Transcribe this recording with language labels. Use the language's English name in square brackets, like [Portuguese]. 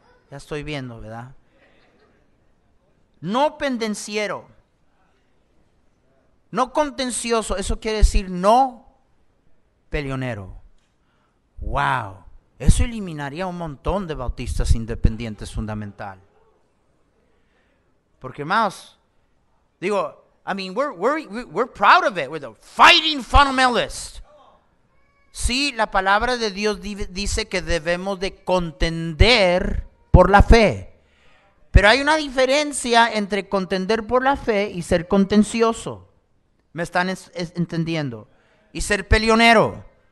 [Spanish] Ya estoy viendo, ¿verdad? No pendenciero. No contencioso, eso quiere decir no peleonero. Wow, eso eliminaría un montón de bautistas independientes fundamental. Porque más, digo, [English] I mean, we're proud of it. We're the fighting fundamentalists. [Spanish] Sí, la palabra de Dios dice que debemos de contender por la fe. Pero hay una diferencia entre contender por la fe y ser contencioso. ¿Me están entendiendo? Y ser peleonero.